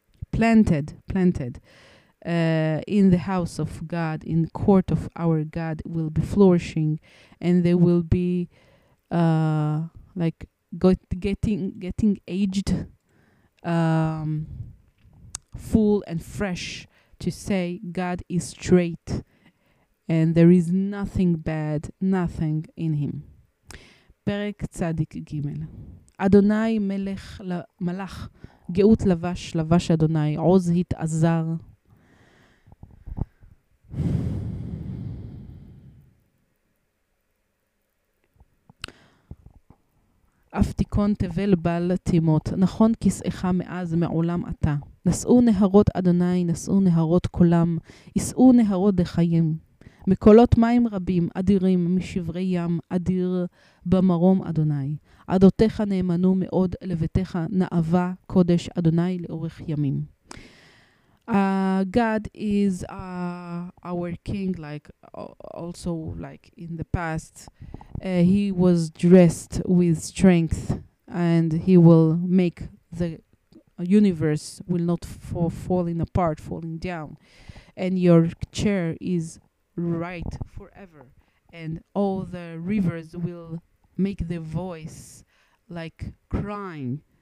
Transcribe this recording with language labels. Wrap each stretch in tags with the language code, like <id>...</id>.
<en>planted in the house of God, in the court of our God, will be flourishing, and they will be like getting aged, full and fresh, to say God is straight and there is nothing bad, nothing in him.</en> <he>Perek Tzadik Gimel. Adonai melech malach. גאות לבש, לבש אדוני, עוז התעזר. אף תיקון תבל בל תימות, נכון כסאיך מאז מעולם אתה. נשאו נהרות אדוני, נשאו נהרות כולם, ישאו נהרות דחיים. מקולות מים רבים, אדירים, משברי ים, אדיר במרום אדוני. עדותיך נאמנו מאוד לביתך, נאווה קודש אדוני לאורך ימים.</he> <en>God is our king, like also like in the past, he was dressed with strength and he will make the universe will not falling down, and your chair is right forever, and all the rivers will make the voice like crying.</en>